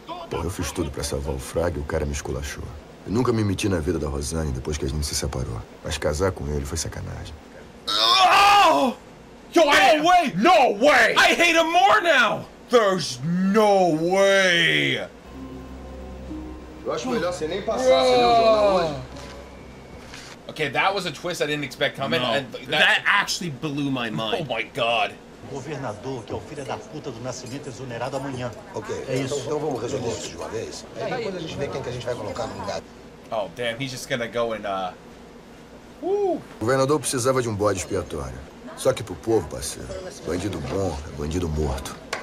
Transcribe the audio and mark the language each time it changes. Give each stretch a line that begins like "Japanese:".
Portuguese: Pô, eu fiz tudo pra salvar o Frag e o cara me esculachou. Eu nunca me meti na vida da Rosane depois que a gente se separou. Mas casar com ele foi sacanagem.
English: Oh! Yo, no way! No way! I hate him more now! There's no way!
Portuguese: Eu acho melhor você nem passar, você não jogar hoje.
English: Okay, that was a twist I didn't expect coming. No, that actually blew my mind. Oh my god.
Portuguese: Governador, que é o filho da puta do Nascimento exonerado amanhã. Ok, então vamos resolver isso de uma vez. Aí depois a gente vê quem que a gente vai colocar no lugar.
English: Oh, damn, he's just gonna go and,
Portuguese: O governador precisava de um bode expiatório. Só que pro povo, parceiro, bandido bom é bandido morto.